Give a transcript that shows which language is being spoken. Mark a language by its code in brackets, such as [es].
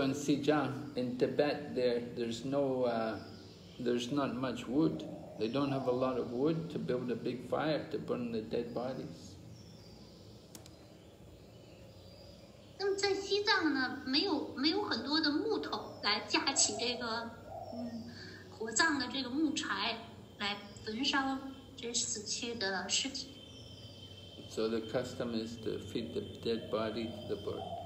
[en] in Sijang, in Tibet, there's no, there's not much wood. They don't have a lot of wood to build a big fire to burn the dead bodies. [zh] 那么在西藏呢，没有很多的木头来架起这个火葬的这个木柴来焚烧这死去的尸体。 [en] So the custom is to feed the dead body to the bird.